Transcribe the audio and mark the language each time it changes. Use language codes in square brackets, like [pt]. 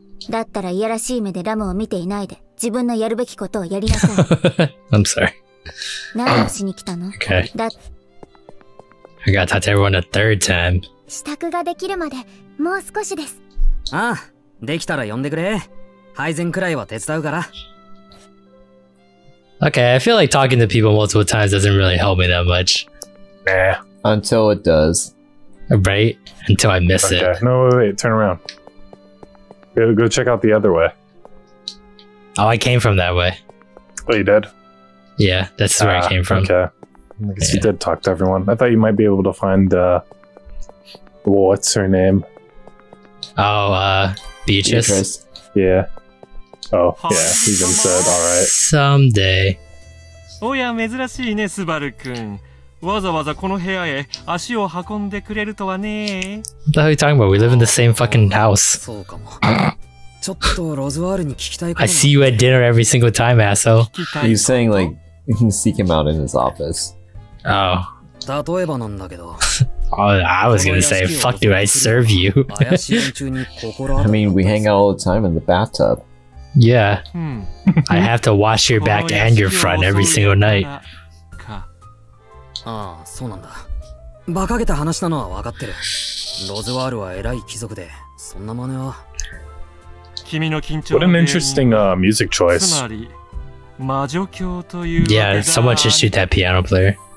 [ja] だったらいやらしい目でラムを見ていないで、自分のやるべきことをやりなさい。 [en] I'm sorry. [ja] 何をしに来たの？ [en] Okay. だ、I gotta talk to everyone a third time. [ja] 支度ができるまで、もう少しです。ああ、できたら呼んでくれ。配膳くらいは手伝うから。 [en] Okay, I feel like talking to people multiple times doesn't really help me that much. Nah. Until it does. Right? Until I miss okay. it. No, wait, turn around. Go check out the other way. Oh, I came from that way. Oh, you did? Yeah, that's where I came from. Okay. I guess yeah. you did talk to everyone. I thought you might be able to find, what's her name? Oh, Beatrice? Yeah. Oh, yeah, he's been said, alright. Someday. [ja] Oh, yeah, 珍しいね、スバル君。わざわざこの部屋へ足を運んでくれるとはね。 [en] What the hell are you talking about? We live in the same fucking house. [ja] そうかも。ちょっとロズワールに聞きたいこと。 [en] I see you at dinner every single time, asshole. He's saying, like, you can seek him out in his office. Oh. [ja] 例えばなんだけど。 [en] Oh, I was gonna say, fuck, do I serve you? I mean, we hang out all the time in the bathtub. Yeah. I have to wash your back and your front every single night. [ja] Ah, so なんだ。馬鹿げた話なのは分かってる。ロズワールは偉い貴族で、そんな真似は。君の緊張。 [en] What an interesting music choice. [ja] つまり、魔女教という。 [en] Yeah, someone should shoot that piano player.